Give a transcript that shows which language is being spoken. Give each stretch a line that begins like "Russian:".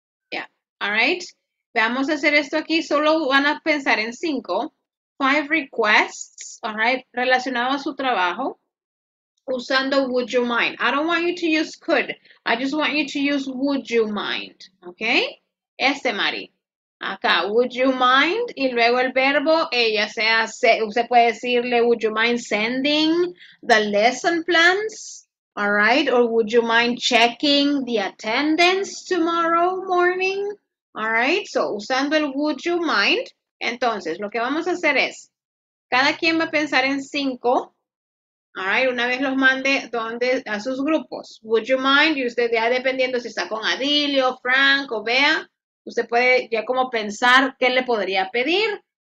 English: Yeah, all right.
Spanish: Vamos a hacer esto aquí, solo van a pensar en 5 requests,
English: all right,
Spanish: relacionado a su trabajo. Usando
English: would you mind. I don't want you to use could. I just want you to use would you mind. Okay?
Spanish: Este,
English: Mari.
Spanish: Acá,
English: would you mind.
Spanish: Y luego el verbo, ya sea, usted puede decirle,
English: would you mind sending the lesson plans? All right? Or would you mind checking the attendance tomorrow morning? All right? So,
Spanish: usando el
English: would you mind.
Spanish: Entonces, lo que vamos a hacer es, cada quien va a pensar en 5.
English: All right,
Spanish: una vez los mande donde a sus grupos.
English: Would you mind?
Spanish: Y usted ya dependiendo si está con Adilio, Frank o Bea, usted puede ya como pensar qué le podría pedir.